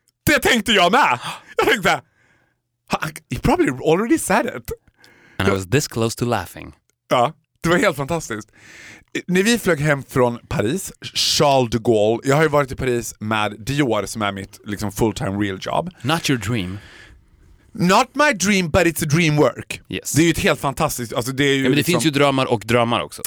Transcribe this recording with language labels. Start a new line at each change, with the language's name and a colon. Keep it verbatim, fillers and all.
Swedish: Det tänkte jag med. Jag tänkte,
English: he probably already said it. And I was this close to laughing.
Swedish: Ja, det var helt fantastiskt. När vi flög hem från Paris, Charles de Gaulle. Jag har ju varit i Paris med Dior som är mitt liksom,
English: full-time real job. Not your dream. Not my dream, but it's a dream work. Yes.
Swedish: Det är ju ett helt fantastiskt... Alltså det är ju ja, men det liksom, finns ju drömmar och drömmar också.